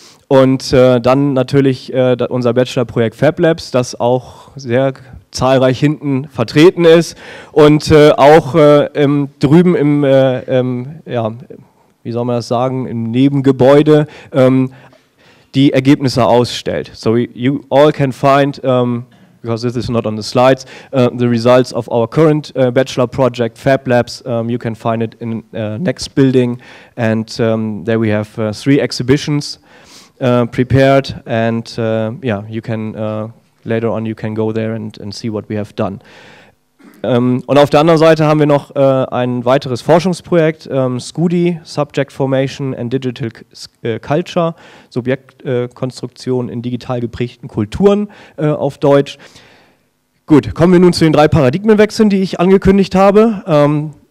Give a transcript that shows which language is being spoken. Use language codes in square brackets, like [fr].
[de] Dann natürlich unser Bachelorprojekt FabLabs, das auch sehr zahlreich hinten vertreten ist und auch drüben im, wie soll man das sagen, im Nebengebäude die Ergebnisse ausstellt. [en] So you all can find, because this is not on the slides, the results of our current bachelor project Fab Labs. You can find it in next building and there we have 3 exhibitions prepared and you can later on you can go there and see what we have done. [de] Und auf der anderen Seite haben wir noch ein weiteres Forschungsprojekt, SCUDI, Subject Formation and Digital Culture, Subjektkonstruktion in digital geprägten Kulturen auf Deutsch. Gut, kommen wir nun zu den drei Paradigmenwechseln, die ich angekündigt habe.